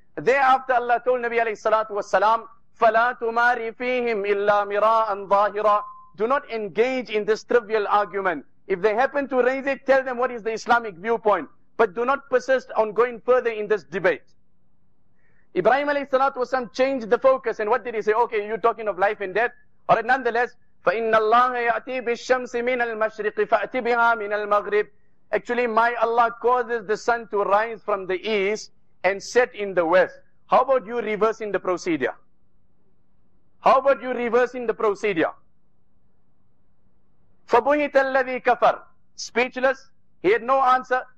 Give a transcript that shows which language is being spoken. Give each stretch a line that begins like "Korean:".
English: Thereafter Allah told Nabi alayhi salatu wasalam,
Arabic: فَلَا تُمَارِ فِيهِمْ إِلَّا مِرَاءً ظَاهِرًا.
English: Do not engage in this trivial argument. If they happen to raise it, tell them what is the Islamic viewpoint. But do not persist on going further in this debate. Ibrahim alayhi salatu wasalam changed the focus. And what did he say? Okay, you're talking of life and death. All right, nonetheless,
Arabic: فَإِنَّ اللَّهَ يَأْتِي بِالشَّمْسِ مِنَ الْمَشْرِقِ فَأْتِي بِهَا مِنَ الْمَغْرِبِ.
English: Actually, my Allah causes the sun to rise from the east and set in the west. How about you reversing the procedure? How about you reversing the procedure?
Arabic: فَبُهِتَ الَّذِي كَفَرْ.
English: Speechless. He had no answer.